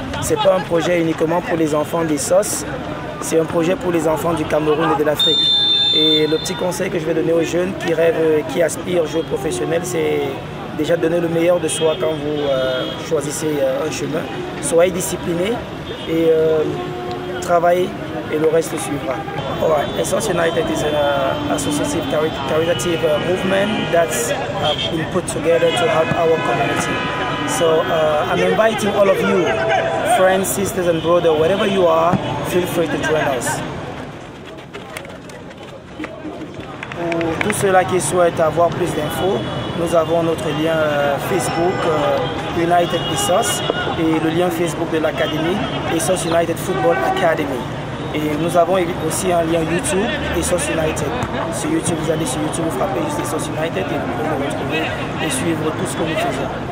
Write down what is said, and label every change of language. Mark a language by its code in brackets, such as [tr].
[fr] Ce n'est pas un projet uniquement pour les enfants d'Essos, c'est un projet pour les enfants du Cameroun et de l'Afrique. Et le petit conseil que je vais donner aux jeunes qui rêvent, qui aspirent à jouer professionnel, c'est déjà donner le meilleur de soi quand vous choisissez un chemin. Soyez disciplinés et travaillez et le reste suivra. [en] Essos United is an associative caritative movement that's been put together to help our community. So I'm inviting all of you, friends, sisters and brothers, wherever you are, feel free to join us. [fr] Pour tous ceux-là qui souhaitent avoir plus d'infos, nous avons notre lien Facebook United Essos et le lien Facebook de l'Académie, Essos United Football Academy. Et nous avons aussi un lien YouTube, Essos United. Sur YouTube, vous allez sur YouTube, vous frappez juste Essos United et vous pouvez nous retrouver et suivre tout ce que nous faisons.